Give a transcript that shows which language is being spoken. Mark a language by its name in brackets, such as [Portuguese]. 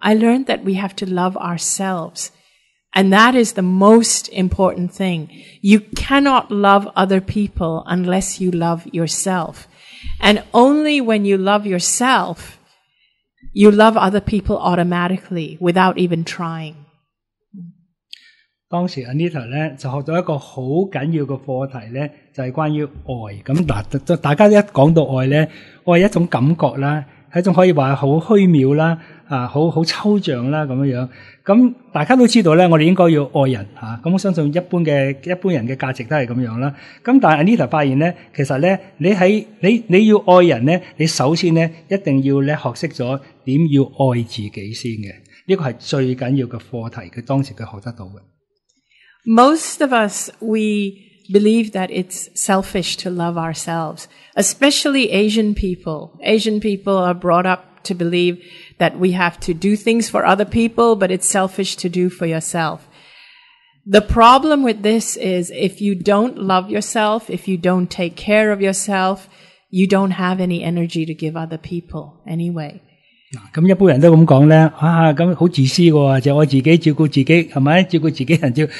[English] I learned that we have to love ourselves. And that is the most important thing. You cannot love other people unless you love yourself. And only when you love yourself, you love other people automatically without even trying. [Cantonese] 當時 Anita 咧就學到一個好緊要嘅課題咧，就係關於愛。咁大家一講到愛咧，愛係一種感覺啦，係一種可以話好虛渺啦，好抽象啦咁樣。咁大家都知道咧，我哋應該要愛人嚇。咁我相信一般人嘅價值都係咁樣啦。咁但係 Anita 發現咧，其實咧你要愛人咧，你首先咧一定要咧學識咗點要愛自己先嘅。呢個係最緊要嘅課題，佢當時佢學得到嘅。 [English] Most of us, we believe that it's selfish to love ourselves, especially Asian people. Asian people are brought up to believe that we have to do things for other people, but it's selfish to do for yourself. The problem with this is if you don't love yourself, if you don't take care of yourself, you don't have any energy to give other people anyway. [Cantonese] 咁一般人都咁讲呢，咁好自私㗎喎，就爱自己，照顾自己，係咪照顾自己人照。